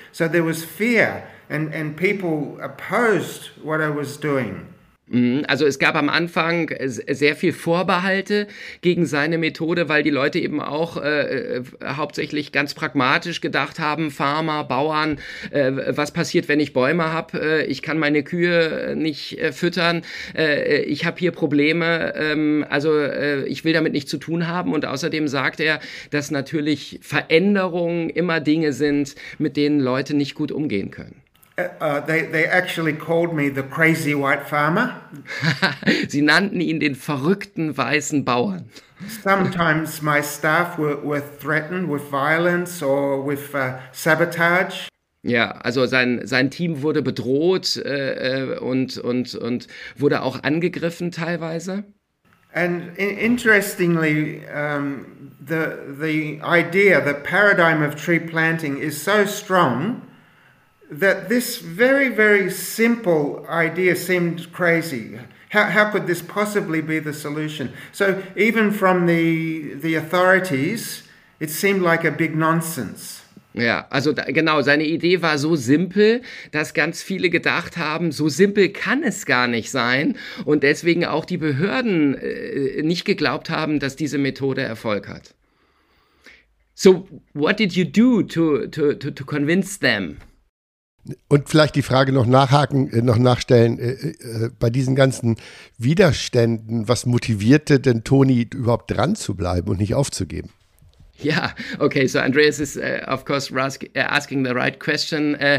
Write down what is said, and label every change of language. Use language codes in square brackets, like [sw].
[en] So there was fear and people opposed what I was doing. [de] Also es gab am Anfang sehr viel Vorbehalte gegen seine Methode, weil die Leute eben auch hauptsächlich ganz pragmatisch gedacht haben, Farmer, Bauern, was passiert, wenn ich Bäume habe? Ich kann meine Kühe nicht füttern, ich habe hier Probleme, ich will damit nichts zu tun haben. Und außerdem sagt er, dass natürlich Veränderungen immer Dinge sind, mit denen Leute nicht gut umgehen können. [en] They actually called me the crazy white farmer. [de] Sie nannten ihn den verrückten weißen Bauern. [en] Sometimes my staff were threatened with violence or with sabotage. [de] Ja, also sein Team wurde bedroht und wurde auch angegriffen teilweise. [en] And interestingly, the idea, the paradigm of tree planting is so strong that this very, very simple idea seemed crazy. How could this possibly be the solution? So even from the authorities, it seemed like a big nonsense. [de] Ja, also da, genau, seine Idee war so simpel, dass ganz viele gedacht haben, so simpel kann es gar nicht sein und deswegen auch die Behörden nicht geglaubt haben, dass diese Methode Erfolg hat. [en] So what did you do to convince them? [de] Und vielleicht die Frage noch nachhaken, noch nachstellen, bei diesen ganzen Widerständen, was motivierte denn Tony überhaupt dran zu bleiben und nicht aufzugeben? [en] Yeah, okay, so Andreas is of course asking the right question.